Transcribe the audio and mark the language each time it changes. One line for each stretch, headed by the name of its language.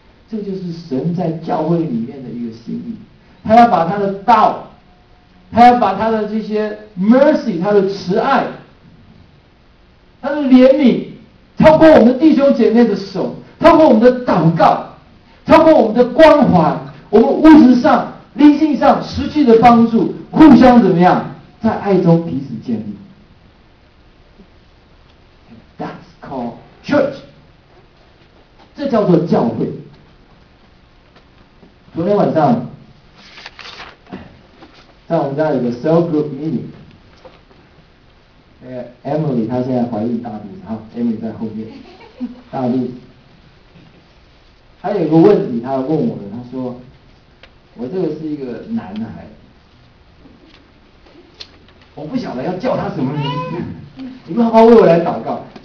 Chinese: 这就是神在教会里面的一个心意。他要把他的道，他要把他的这些 mercy， 他的慈爱，他的怜悯，透过我们弟兄姐妹的手，透过我们的祷告，透过我们的关怀，我们物质上灵性上实际的帮助，互相怎么样在爱中彼此建立。
English: That's called church，
Chinese: 这叫做教会。昨天晚上在我们家有个 cell group meeting，Emily 她现在怀孕大肚子，好 ，Emily 在后面，大肚子。她有个问题，她问我的，她说：“我这个是一个男孩，我不晓得要叫他什么名字，你们好好为我来祷告。”